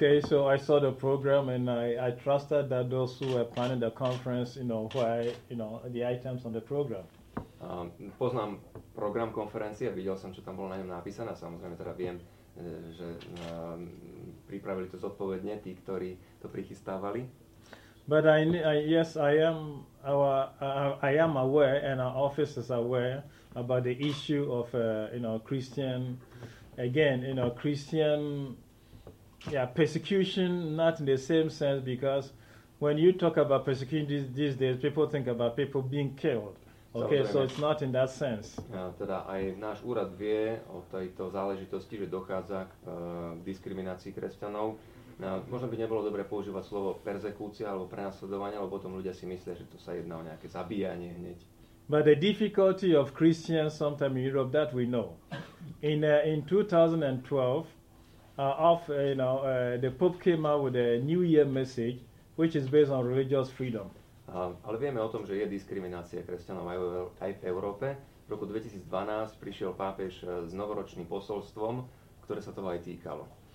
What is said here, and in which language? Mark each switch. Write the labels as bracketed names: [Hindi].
[English] So I saw the program and I trusted that those who were planning the conference, the items on the program. [Slovak] Poznám program konferencie, videl som, čo tam bolo na ňom napísané, samozrejme teda viem, že pripravili to zodpovedne tí, ktorí to prichystávali. [English] But I am aware and our office is aware about the issue of Christian persecution, not in the same sense, because when you talk about persecution these days, people think about people being killed. Okay, so it's not in that sense. [Slovak] Teda aj náš úrad vie o tejto záležitosti, že dochádza k diskriminácii kresťanov. Možno by nebolo dobre používať slovo persekúcia alebo prenasledovanie, lebo potom ľudia si myslia, že to sa jedná o nejaké zabíjanie hneď. [English] But the difficulty of Christians sometimes in Europe, that we know. In 2012, the Pope came out with a New Year message, which is based on religious freedom. [Slovak] Ale vieme o tom, že je diskriminácia kresťanov aj v Európe. V roku 2012 prišiel pápež s novoročným posolstvom, ktoré sa toho aj týkalo.